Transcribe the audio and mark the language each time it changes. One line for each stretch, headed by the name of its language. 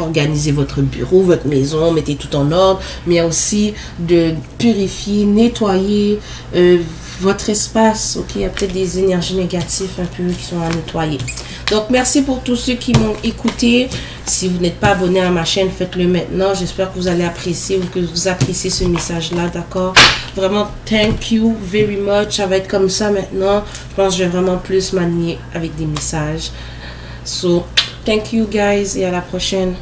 French: Organisez votre bureau, votre maison, mettez tout en ordre. Mais il y a aussi de purifier, nettoyer votre espace, ok? Il y a peut-être des énergies négatives un peu qui sont à nettoyer. Donc, merci pour tous ceux qui m'ont écouté. Si vous n'êtes pas abonné à ma chaîne, faites-le maintenant. J'espère que vous allez apprécier ou que vous appréciez ce message-là, d'accord?
English: Vraiment, thank you very much.
French: Ça va être comme ça maintenant. Je pense que je vais vraiment plus m'aligner avec des messages.
English: So, thank you guys
French: et à la prochaine.